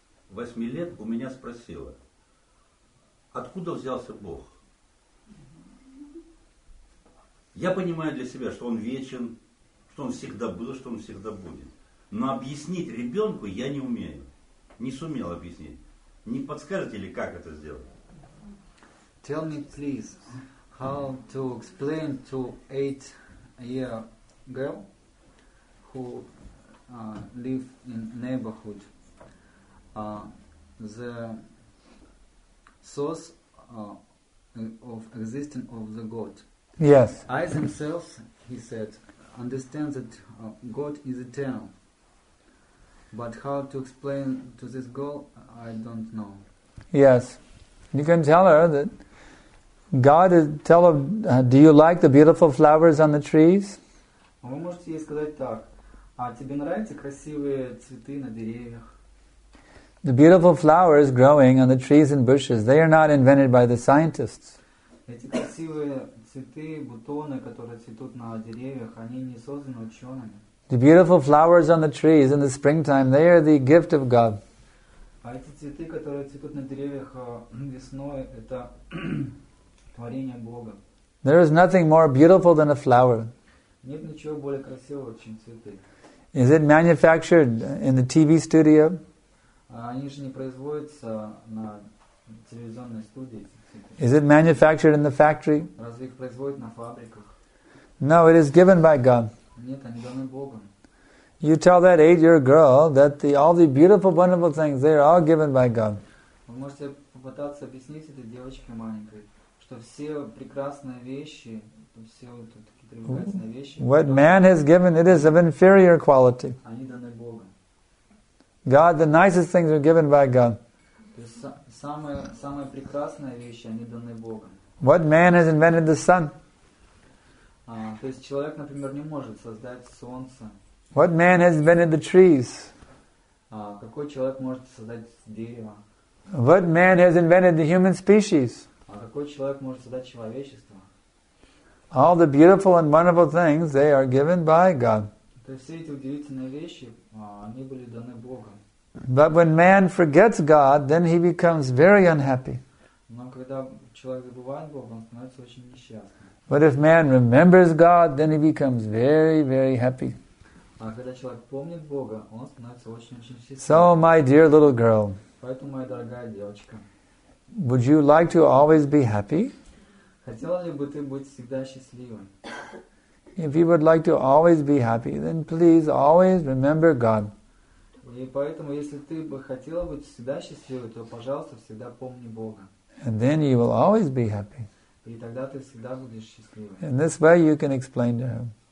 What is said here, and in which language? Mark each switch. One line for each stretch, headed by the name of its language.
Russian: 8 лет у меня спросила, откуда взялся Бог? Я понимаю для себя, что Он вечен, что Он всегда был, что Он всегда будет. Но объяснить ребенку я не умею. Не сумел объяснить. Не подскажете ли, как это сделать?
English: Tell me, please, how to explain to 8-year girl who live in neighborhood the source of existence of the God. Yes. I themselves, he said, understand that God is eternal. But how to explain to this girl, I don't know. Yes. You can tell her that God is, tell her, do you like the beautiful flowers on the trees?
Russian: Вы можете ей сказать так. А тебе нравятся красивые цветы на деревьях?
English: The beautiful flowers growing on the trees and bushes, they are not invented by the scientists.
Russian: Эти красивые цветы, бутоны, которые цветут на деревьях, они не созданы учеными.
English: The beautiful flowers on the trees in the springtime, they are the gift of God.
Russian: А эти цветы, которые цветут на деревьях весной, это творение Бога.
English: There is nothing more beautiful than a flower.
Russian: Нет ничего более красивого, чем цветы.
English: Is it manufactured in the TV studio?
Russian: Они же не производятся на телевизионной студии.
English: Is it manufactured in the factory?
Russian: Разве их производят на фабриках?
English: No, it is given by God.
Russian: Нет, они даны Богом.
English: You tell that eight-year girl that the, all the beautiful, wonderful things, they are all given by God.
Russian: Вы можете попытаться объяснить этой девочке маленькой, что все прекрасные вещи, все вот такие прекрасные вещи...
English: What man has given, it is of inferior quality.
Russian: Они даны Богом.
English: God, the nicest things are given by God.
Russian: Самые прекрасные вещи, они даны Богом.
English: What man has invented the sun?
Russian: То есть человек, например, не может создать солнце.
English: What man has invented the trees?
Russian: Какой человек может создать дерево?
English: What man has invented the human species?
Russian: Какой человек может создать человечество?
English: All the beautiful and wonderful things, they are given by God.
Russian: То есть все эти удивительные вещи, они были даны Богом.
English: But when man forgets God, then he becomes very unhappy.
Russian: Но когда человек забывает Бога, он становится очень несчастным.
English: But if man remembers God, then he becomes very, very happy.
Russian: А когда человек помнит Бога, он становится очень-очень счастливым.
English: So, my dear little girl,
Russian: поэтому, моя дорогая девочка,
English: would you like to always be happy?
Russian: Хотела ли бы ты быть всегда счастливой?
English: If you would like to always be happy, then please always remember God.
Russian: И поэтому, если ты бы хотела быть всегда счастливой, то, пожалуйста, всегда помни Бога.
English: And then you will always be happy.
Russian: И тогда ты всегда будешь счастливым.
English: In this way you can explain to him.